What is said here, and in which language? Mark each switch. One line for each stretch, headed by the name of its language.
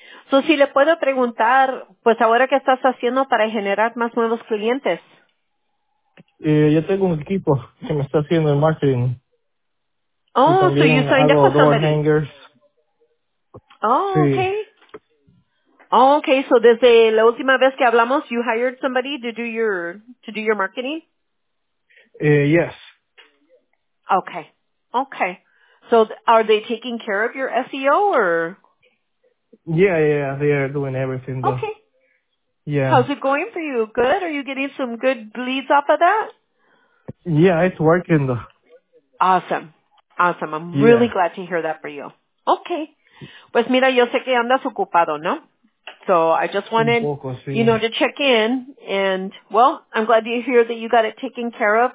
Spanish: So, si le puedo preguntar, pues ahora, ¿qué estás haciendo para generar más nuevos clientes? Yo tengo un equipo que me está haciendo el marketing.
English: Oh, so you signed up with somebody. Hangers. Oh, okay. Oh, okay, so
Spanish: desde la última vez que hablamos,
English: you hired somebody to do your marketing? Yes. Okay. Okay. So are they taking care of your SEO or? Yeah, they are doing everything. Though. Okay. Yeah. How's it going for you? Good? Are you getting some good leads off of that? Yeah, it's working though. Awesome. Awesome. I'm really glad to hear that for you. Okay.
Spanish: Pues mira, yo sé que andas ocupado, ¿no?
English: So I just wanted, to check in. And, well, I'm glad to hear that you got it taken care of.